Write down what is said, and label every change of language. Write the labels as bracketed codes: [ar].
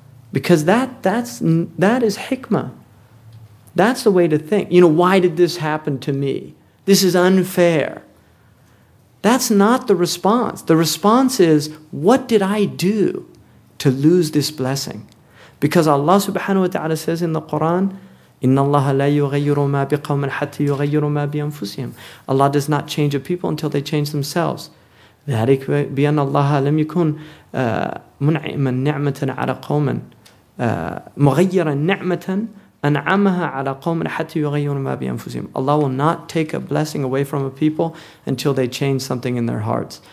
[en] Because that is hikmah. That's the way to think. You know, why did this happen to me? This is unfair. That's not the response. The response is, what did I do to lose this blessing? Because Allah subhanahu wa ta'ala says in the Quran, [ar] إِنَّ اللَّهَ لَا يُغَيِّرُ مَا بِقَوْمٍ حَتَّى يُغَيِّرُ مَا بِأَنفُسِهِمْ. [en] Allah does not change a people until they change themselves. [ar] ذَلِكَ بِأَنَّ اللَّهَ لَمْ يَكُنْ مُنْعِمًا نِعْمَةً عَلَى قَوْمٍ مُغَيِّرًا نِعْمَةً أَنْعَمَهَا عَلَى قَوْمٍ حَتَّى يُغَيِّرُ مَا بِأَنفُسِهِمْ. [en] Allah will not take a blessing away from a people until they change something in their hearts.